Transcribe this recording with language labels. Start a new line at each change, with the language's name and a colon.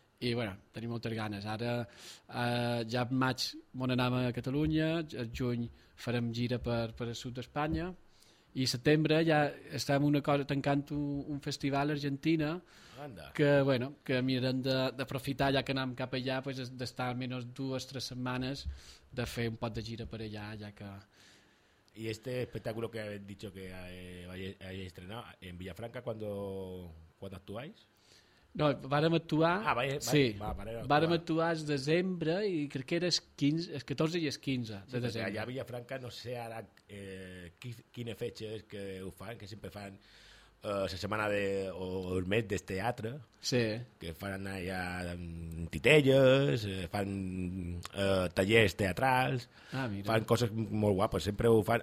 Catalan: I bueno, tenim moltes ganes. Ara ja en maig m'on anem a Catalunya, el juny farem gira per el sud d'Espanya, i setembre ja estem una cosa tancant un festival a Argentina. Anda. Que bueno, que mirem d'aprofitar ja que anem cap allà, pues, d'estar almenys dues o tres setmanes de fer un pot de gira per allà, ja que...
Spanish: I este espectáculo que habéis dicho que hayáis estrenado en Villafranca, ¿cuándo actuáis?
Catalan: No, vàrem actuar... Ah, vàrem actuar el desembre, i crec que era el 14 i el 15 de desembre. Allà a Villafranca no sé ara quines fetges que ho fan, que sempre fan la setmana o el mes del teatre, sí, que fan allà titelles, fan tallers teatrals, fan coses molt guapes, sempre ho fan.